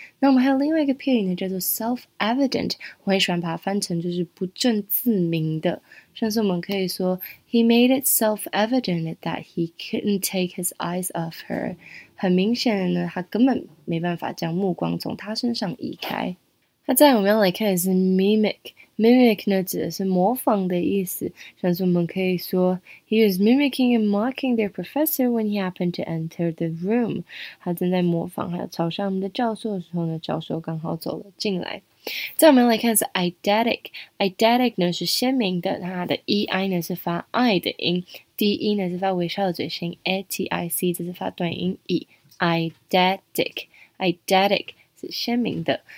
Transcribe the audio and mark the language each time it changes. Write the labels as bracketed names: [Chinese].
[Chinese] 那我们还有另外一个片语呢，叫做 self evident， 我很喜欢把它翻成就是不证自明的。像是我们可以说 [English] ，He made it self evident that he couldn't take his eyes off her。 [Chinese] 很明显的呢，他根本没办法将目光从他身上移开。那再我们要来看的是 mimic。 Mimic 呢指的是模仿的意思，像是我们可以说 [English] He was mimicking and mocking their professor when he happened to enter the room. [Chinese] 他正在模仿还有嘲笑我们的教授的时候呢，教授刚好走了进来。再我们来看是 eidetic， eidetic 呢是鲜明的，它的 ei 呢是发 i 的音， d e 呢是发微笑的嘴型， a t i c 这是发短音 e， eidetic， eidetic。鲜明的。